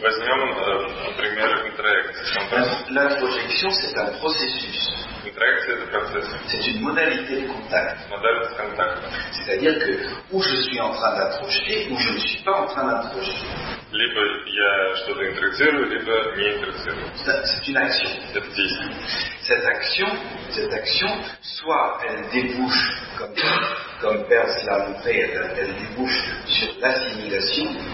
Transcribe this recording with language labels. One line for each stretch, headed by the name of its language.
Russian: Возьмем, например, интроекция.
French: L'introjection, c'est un processus.
Russian: Интроекция, это процесс.
French: C'est une modalité de contact. Modalité de contact. C'est-à-dire que où je suis en train d'introjeter, où je ne suis pas en train d'introjeter.
Russian: Либо я что-то интроектирую, либо не интроектирую.
French: C'est une action.
Russian: Это действие.
French: Cette action, soit elle débouche comme Peirce l'a montré, elle débouche sur l'assimilation.